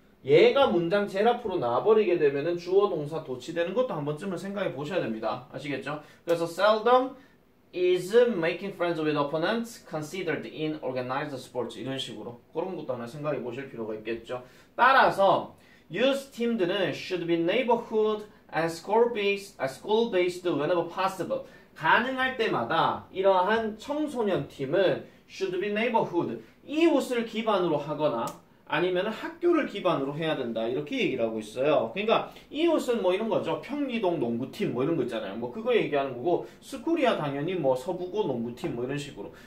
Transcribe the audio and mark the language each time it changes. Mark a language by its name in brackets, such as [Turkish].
[Korean] 얘가 문장 제일 앞으로 나와버리게 되면은 주어 동사 도치되는 것도 한 번쯤은 생각해 보셔야 됩니다. 아시겠죠? 그래서 [English] seldom is making friends with opponents considered in organized sports. [Korean] 이런 식으로. 그런 것도 하나 생각해 보실 필요가 있겠죠. 따라서, [English] youth 팀들은 should be neighborhood and school based whenever possible. [Korean] 가능할 때마다 이러한 청소년 팀은 [English] should be neighborhood. [Korean] 이웃을 기반으로 하거나, 아니면 학교를 기반으로 해야 된다. 이렇게 얘기를 하고 있어요. 그러니까 이웃은 뭐 이런 거죠. 평리동 농구팀 뭐 이런 거 있잖아요. 뭐 그거 얘기하는 거고, 스쿨이야 당연히 뭐 서부고 농구팀 뭐 이런 식으로.